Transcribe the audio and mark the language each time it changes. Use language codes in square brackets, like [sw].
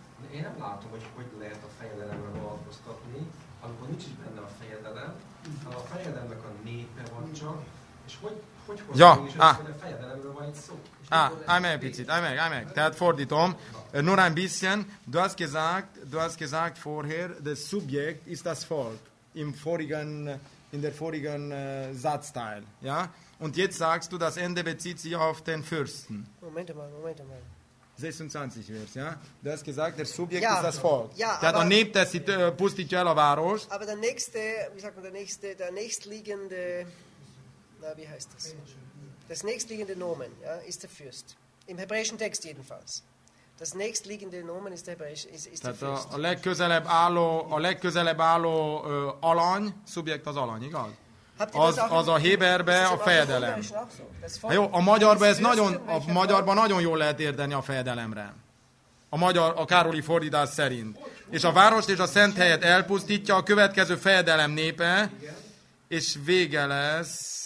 [hu] Én nem látom, hogy lehet a fejedelemre változtatni, amikor nincs is benne a fejedelem, hanem a fejedelemnek a népe van csak, és Tehát fordítom. [de] Nur ein bisschen. Du hast gesagt vorher, das Subjekt ist das Volk. In der vorigen Satzteil. Ja? Und jetzt sagst du, das Ende bezieht sich auf den Fürsten. Moment mal. 26 vers, ja? Du hast gesagt, das Subjekt ist das Volk. Ja, [hu] tehát a nép teszi, pusztítja el a várost. [de] Aber der nächste, wie sagt man, der nächstliegende... Na, wie heißt das? Das nächstliegende Nomen, ja, ist der Fürst. Im hebräischen Text jedenfalls. Das nächstliegende Nomen ist der Hebräische, ist der Fürst. [hu] A legközelebb álló, alany, Subjekt az alany, igaz? Az a héberbe a fejedelem. Ha jó, a magyarban nagyon jól lehet érteni a fejedelemre. A károli fordítás szerint. És a várost és a szent helyet elpusztítja a következő fejedelem népe, és vége lesz.